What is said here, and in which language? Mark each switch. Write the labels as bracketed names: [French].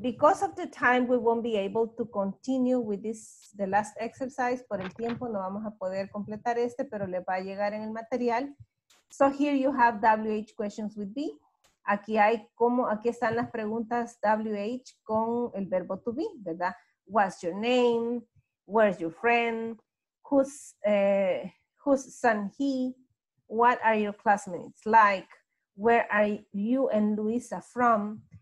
[English] Because of the time, we won't be able to continue with this, the last exercise. [Spanish] Por el tiempo, no vamos a poder completar este, pero le va a llegar en el material. [English] So here you have WH questions with be. [Spanish] Aquí están las preguntas WH con el verbo to be, ¿verdad? [English] What's your name? Where's your friend? Whose son he? What are your classmates like? Where are you and Luisa from?